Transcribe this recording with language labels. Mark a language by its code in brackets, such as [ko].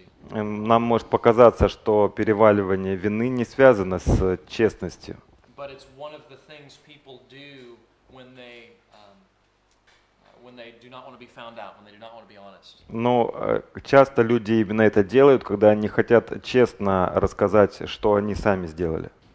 [ru] Нам может показаться, что переваливание вины не связано с честностью. [en] But it's one of the things people do when they do not want to be found out, when they do not want to be honest. [ru] Но часто люди именно это делают, когда они хотят честно рассказать, что они сами сделали.